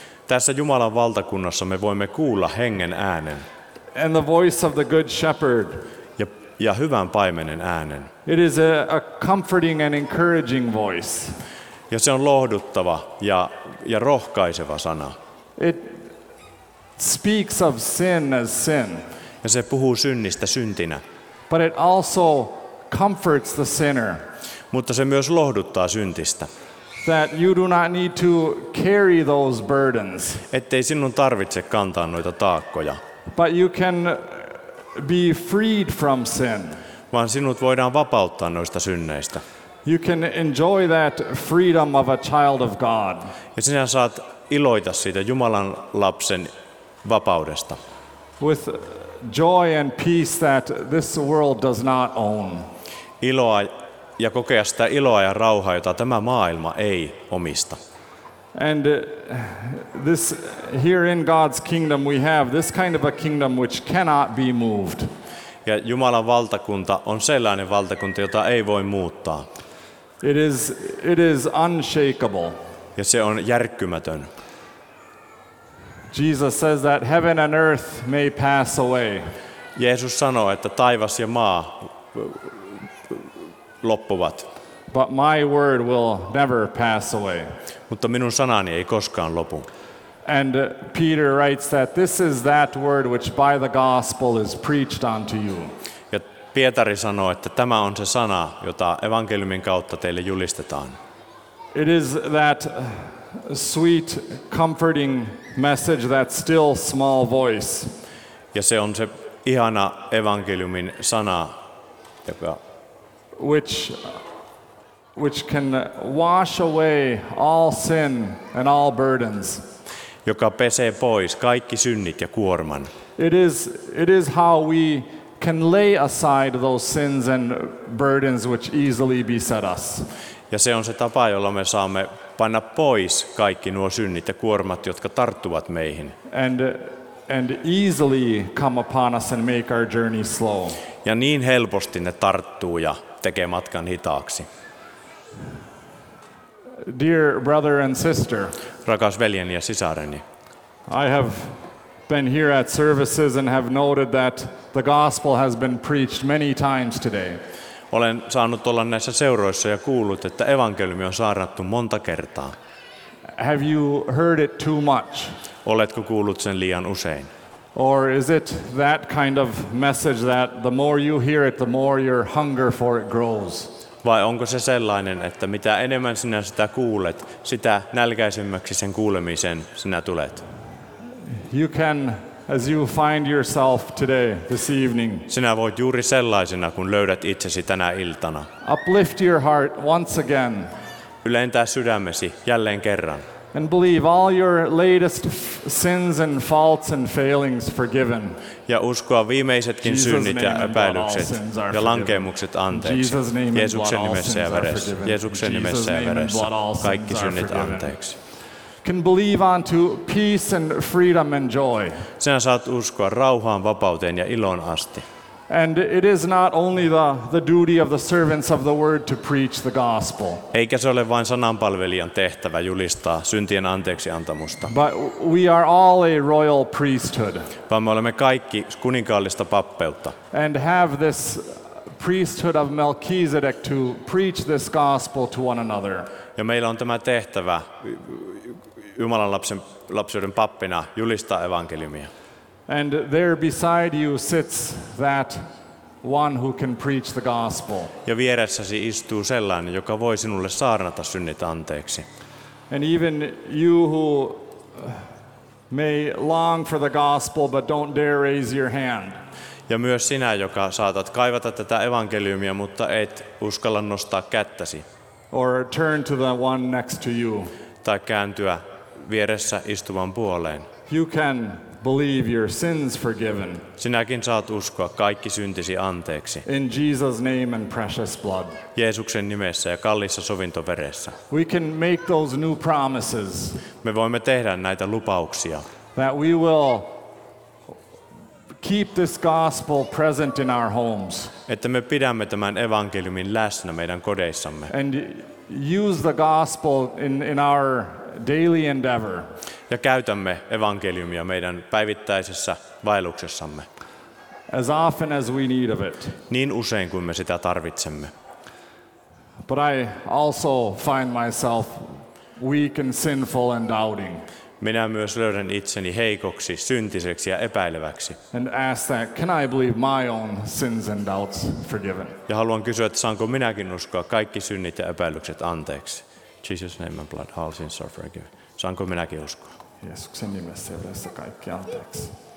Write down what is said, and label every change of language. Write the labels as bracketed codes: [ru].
[fi] Tässä Jumalan valtakunnassa me voimme kuulla hengen äänen. [en] And the voice of the good shepherd. [fi] Ja hyvän paimenen äänen. [en] It is a comforting and encouraging voice. [fi] Ja se on lohduttava ja rohkaiseva sana. [en] It speaks of sin as sin. [fi] Ja se puhuu synnistä syntinä. [en] But it also comforts the sinner. [fi] Mutta se myös lohduttaa syntistä. [en] That you do not need to carry those burdens. [fi] Ettei sinun tarvitse kantaa noita taakkoja. [en] But you can be freed from sin. [fi] Vaan sinut voidaan vapauttaa noista synneistä. [en] You can enjoy that freedom of a child of God. [fi] Ja sinä saat iloita siitä Jumalan lapsen vapaudesta. [en] With joy and peace that this world does not own. [fi] Iloa ja kokea sitä iloa ja rauhaa, jota tämä maailma ei omista. [en] And this here in God's kingdom we have this kind of a kingdom which cannot be moved. [fi] Ja Jumalan valtakunta on sellainen valtakunta, jota ei voi muuttaa. [en] It is unshakable. [fi] Ja se on järkkymätön. [en] Jesus says that heaven and earth may pass away. [fi] Jeesus sanoo, että taivas ja maa loppuvat. [en] But my word will never pass away. [fi] Mutta minun sanani ei koskaan lopu. [en] And Peter writes that this is that word which by the gospel is preached unto you. [fi] Ja Pietari sanoo, että tämä on se sana, jota evankeliumin kautta teille julistetaan. [en] It is that sweet comforting message that still small voice. [fi] Ja se on se ihana evankeliumin sana, joka [en] which can wash away all sin and all burdens. [fi] Joka pesee pois kaikki synnit ja kuorman. [en] It is how we can lay aside those sins and burdens which easily beset us. [fi] Ja se on se tapa, jolla me saamme panna pois kaikki nuo synnit ja kuormat, jotka tarttuvat meihin. [en] And easily come upon us and make our journey slow. [fi] Ja niin helposti ne tarttuu ja tekee matkan hitaaksi. [en] Dear brother and sister, [fi] rakas veljeni ja sisareni, [en] I have been here at services and have noted that the gospel has been preached many times today. [fi] Olen saanut olla näissä seuroissa ja kuullut, että evankeliumi on saarnattu monta kertaa. [en] Have you heard it too much? [fi] Oletko kuullut sen liian usein? [en] Or is it that kind of message that the more you hear it, the more your hunger for it grows? [fi] Vai onko se sellainen, että mitä enemmän sinä sitä kuulet, sitä nälkäisemmäksi sen kuulemisen sinä tulet? [en] You can, as you find yourself today, this evening. [fi] Sinä voit juuri sellaisena, kun löydät itsesi tänä iltana. [en] Uplift your heart once again. [fi] Ylentää sydämesi jälleen kerran. [en] And believe all your latest sins and faults and failings forgiven. [fi] Ja uskoa viimeisetkin synnit ja epäilykset ja lankemukset anteeksi. Jeesuksen nimessä ja veressä. Kaikki synnit anteeksi. [en] can believe on to peace and freedom and joy. [fi] Sinä saat uskoa rauhaan, vapauteen ja iloon asti. [en] And it is not only the duty of the servants of the word to preach the gospel. [fi] Eikä se ole vain sananpalvelijan tehtävä julistaa syntien anteeksi antamusta. [en] But we are all a royal priesthood. [fi] Vaan me olemme kaikki kuninkaallista pappeutta. [en] And have this priesthood of Melchizedek to preach this gospel to one another. [fi] Ja meillä on tämä tehtävä Jumalan lapsuuden pappina julistaa evankeliumia. [en] And there beside you sits that one who can preach the gospel. [fi] Ja vieressäsi istuu sellainen, joka voi sinulle saarnata synnit anteeksi. [en] And even you who may long for the gospel but don't dare raise your hand. [fi] Ja myös sinä, joka saatat kaivata tätä evankeliumia, mutta et uskalla nostaa kättäsi. [en] Or turn to the one next to you. [fi] Tai kääntyä vieressä istuvan puoleen. [en] You can believe your sins forgiven. [fi] Sinäkin saat uskoa kaikki syntisi anteeksi. [en] In Jesus' name and precious blood. [fi] Jeesuksen nimessä ja kalliissa sovintoveressä. [en] We can make those new promises. [fi] Me voimme tehdä näitä lupauksia. [en] That we will keep this gospel present in our homes. [fi] Että me pidämme tämän evankeliumin läsnä meidän kodeissamme. [en] And use the gospel in our daily endeavor. [fi] Ja käytämme evankeliumia meidän päivittäisessä vaelluksessamme. [en] As often as we need of it. [fi] Niin usein kuin me sitä tarvitsemme. [en] But I also find myself weak and sinful and doubting. [fi] Minä myös löydän itseni heikoksi, syntiseksi ja epäileväksi. [en] And ask that, can I believe my own sins and doubts forgiven? [fi] Ja haluan kysyä, että saanko minäkin uskoa kaikki synnit ja epäilykset anteeksi. [en] Jesus' name and blood, all sins are forgiven. [fi] Saanko minäkin uskoa? Jeesuksen nimessä yhdessä kaikki anteeksi.